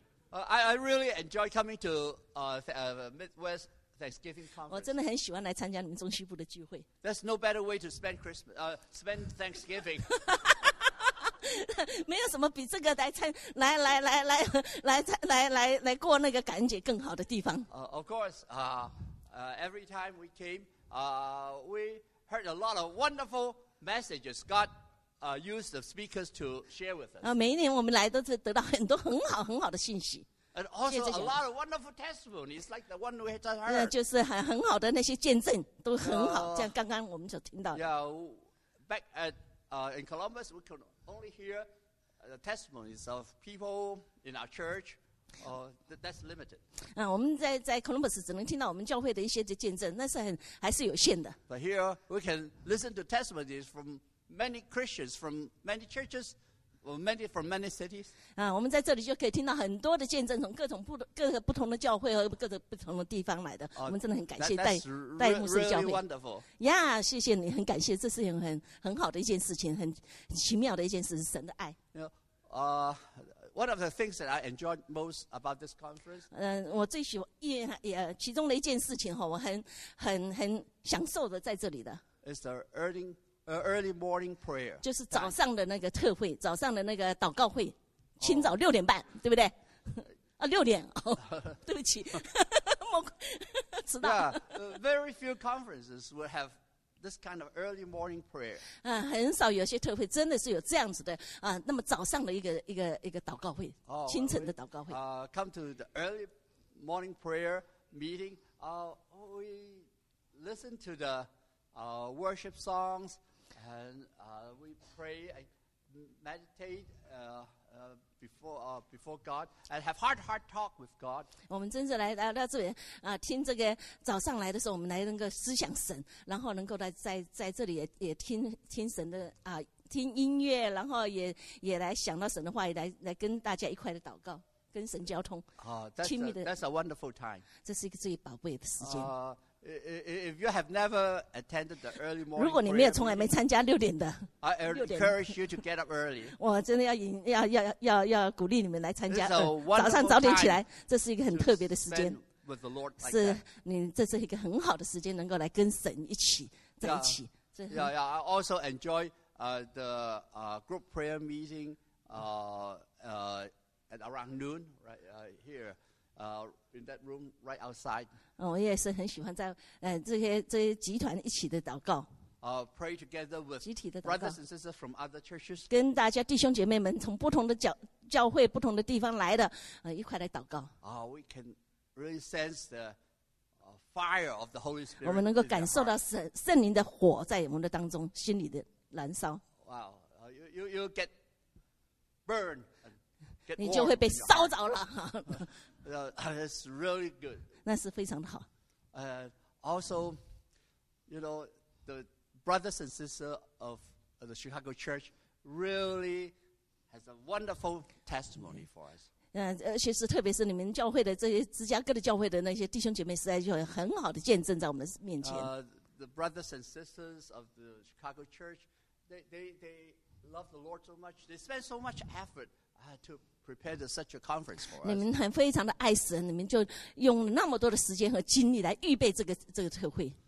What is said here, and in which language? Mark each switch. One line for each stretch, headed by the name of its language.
English: I really enjoy coming to Midwest Thanksgiving Conference.
Chinese: 我真的很喜欢来参加你们中西部的聚会。
English: There's no better way to spend Christmas, spend Thanksgiving.
Chinese: 没有什么比这个来过那个感恩节更好的地方。
English: Of course, every time we came, we heard a lot of wonderful messages. God. Use the speakers to share with us.
Chinese: 每一年我们来都是得到很多很好很好的信息。
English: And also a lot of wonderful testimonies, like the one we just heard.
Chinese: 就是很好的那些见证都很好，像刚刚我们所听到的。
English: Yeah, back at in Columbus, we could only hear the testimonies of people in our church. That's limited.
Chinese: 我们在 Columbus 只能听到我们教会的一些的见证，那是很还是有限的。
English: But here we can listen to testimonies from. Many Christians from many churches, many from many cities.
Chinese: 我们在这里就可以听到很多的见证，从各个不同的教会和各个不同的地方来的。我们真的很感谢戴牧师教会。
English: Really wonderful.
Chinese: Yeah, 谢谢你，很感谢，这是很好的一件事情，很奇妙的一件事，是神的爱。
English: One of the things that I enjoyed most about this conference.
Chinese: 我最喜欢其中的一件事情哈，我很享受的在这里的。
English: Is the earning. Early morning prayer.
Chinese: 就是早上的那个特会，早上的那个祷告会，清早六点半，对不对？六点，对不起，迟到。
English: Very few conferences will have this kind of early morning prayer.
Chinese: 很少有些特会真的是有这样子的那么早上的一个祷告会，清晨的祷告会。
English: Come to the early morning prayer meeting. We listen to the worship songs. And we pray and meditate before God and have heart talk with God.
Chinese: 我们真是来到这边听这个早上来的时候，我们来能够思想神，然后能够在这里也听神的听音乐，然后也来想到神的话语，来跟大家一块的祷告，跟神交通。
English: That's a wonderful time.
Chinese: 这是一个最宝贵的时间。
English: If you have never attended the early morning,
Chinese: 如果你没有从来没参加六点的
English: ，I encourage you to get up early.
Chinese: 我真的要鼓励你们来参加，早上早点起来，这是一个很特别的时间。是你这是一个很好的时间，能够来跟神一起在一起。
English: Yeah, I also enjoy the group prayer meeting at around noon right here. In that room right outside.
Chinese: 我也是很喜欢在这些集团一起的祷告。
English: Pray together with
Chinese: 集体的祷告。
English: Brothers and sisters from other churches.
Chinese: 跟大家弟兄姐妹们从不同的教会、不同的地方来的，一块来祷告。
English: We can really sense the fire of the Holy Spirit.
Chinese: 我们能够感受到圣灵的火在我们的当中，心里的燃烧。
English: Wow, you get burned, get warm.
Chinese: 你就会被烧着了。
English: It's really good.
Chinese: 那是非常的好。
English: Also, you know, the brothers and sisters of the Chicago Church really has a wonderful testimony for us.
Chinese: 其实特别是你们教会的这些芝加哥的教会的那些弟兄姐妹，实在就有很好的见证在我们面前。
English: The brothers and sisters of the Chicago Church, they love the Lord so much. They spend so much effort to. Prepared such a conference for us.
Chinese: 你们很非常的爱神，你们就用那么多的时间和精力来预备这个特会。